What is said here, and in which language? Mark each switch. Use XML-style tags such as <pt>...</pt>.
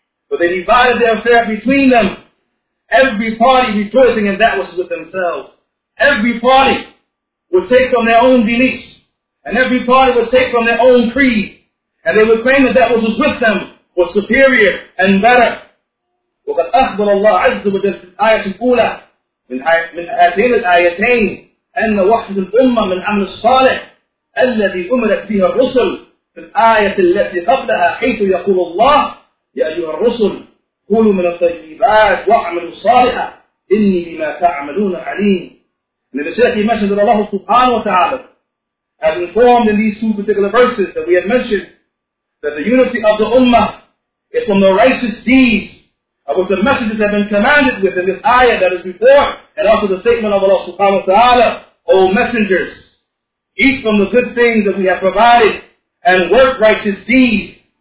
<en>But they divided their affair between them. Every party rejoicing in that which is with themselves. Every party would take from their own beliefs. And every party would take from their own creed. And they would claim that that which was with them was superior and better.</en> <ar>وَقَدْ أَخْبَرَ اللَّهُ عَزَّ وَجَلَّ الْآيَةِ الْأُولَى مِنْ هَاتَيْنِ الْآيَتَيْنِ أَنَّ وَحْدَ الْأُمَّةِ مِنْ عَمْلِ الصَّالِحِ الَّذِي أُمِرَتْ بِهَا الرُّسُلُ فِي الْآيَةِ الَّتِي قَبْلَهَا حَيْثُ يَقُولُ اللَّهُ يا أيها الرسل قولوا من الطيبات واعملوا صالحا إني بما تعملون عليم.</ar> <en>And in the Shaykh, he mentioned that Allah subhanahu wa ta'ala has informed in these two particular verses that we had mentioned that the unity of the ummah is from the righteous deeds of which the messengers have been commanded with in this ayah that is before, and also the statement of Allah subhanahu wa ta'ala, O messengers, eat from the good things that we have provided and work righteous deeds.</en>